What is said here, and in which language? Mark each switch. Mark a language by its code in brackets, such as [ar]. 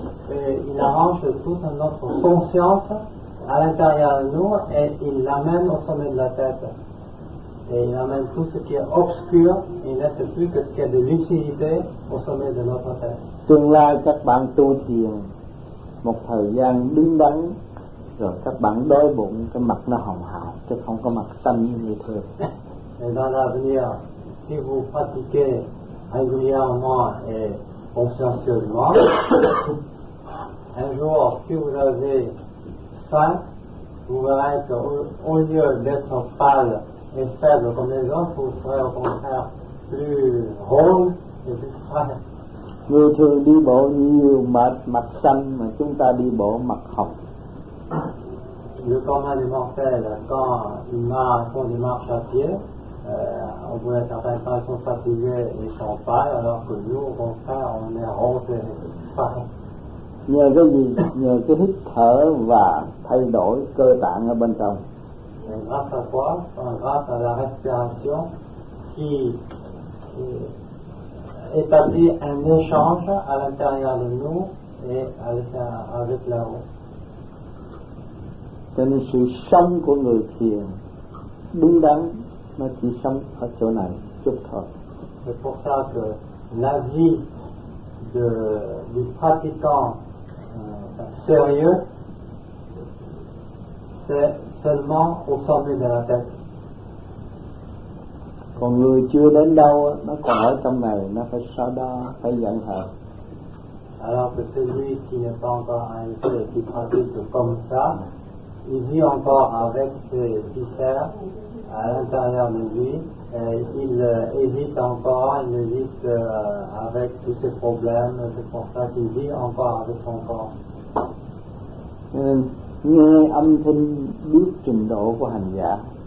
[fr] il arrange toute notre conscience à l'intérieur de nous et il l'amène au sommet de la tête. Et il amène tout ce qui est obscur et il ne laisse plus que ce qui est de lucidité au sommet de notre tête. [vi] Tương lai các bạn tu thiền một thời gian đứng đắn rồi các bạn đói bụng, cái mặt nó hồng hào chứ không có mặt xanh như người thường. [fr] Et dans l'avenir, si vous pratiquez régulièrement et consciencieusement, un jour, si vous avez faim, vous verrez qu'au lieu d'être pâle et faible comme les autres, vous serez au contraire plus rose et plus frais. [vi] Người thường đi bộ nhiều mệt mặt xanh mà chúng ta đi bộ mặt hồng. [fr] Le commun des mortels, quand ils marchent, font des marches à pied, au bout d'un certain temps, ils sont fatigués et ils sont pâles, alors que nous, au contraire, on est rose et pâle. [vi] Nhờ cái gì? Nhờ cái hít thở và thay đổi cơ tạng ở bên trong. [fr] Et grâce à quoi? Enfin, grâce à la respiration qui établit un échange à l'intérieur de nous et avec la roue. [vi] Cho nên sự sống của người thiền đúng đắn nó chỉ sống ở chỗ này chút thôi. [fr] C'est pour ça que la vie de du pratiquant sérieux c'est seulement au sommet de la tête. [vi] Còn người chưa đến đâu nó còn ở trong này, nó phải xa đó, phải giận hờn. [fr] Alors que celui qui n'est pas encore un peu et qui pratique comme ça, il vit encore avec ses viscères à l'intérieur de lui et il évite encore, il évite avec tous ses problèmes, c'est pour ça qu'il vit encore avec son corps. [vi] Nghe âm thanh biết trình độ của hành giả.